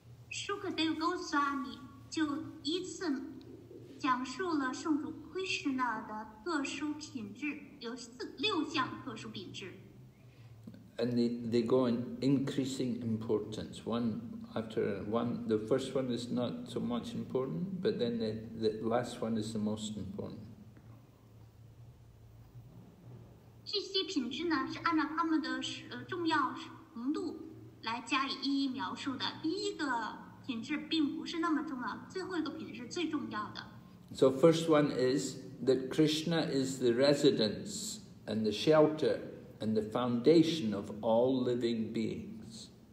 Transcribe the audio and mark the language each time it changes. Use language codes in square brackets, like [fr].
[zh] Sukadeva Goswami 就依次讲述了圣主 Krishna 的特殊品质，有六项特殊品质。 [en] And they go in increasing importance. One after one, the first one is not so much important, but then the last one is the most important. [zh] 这些品质呢，是按照他们的重要程度来加以一一描述的。第一个品质并不是那么重要，最后一个品质是最重要的。 [en] So first one is that Krishna is the residence and the shelter and the foundation of all living beings.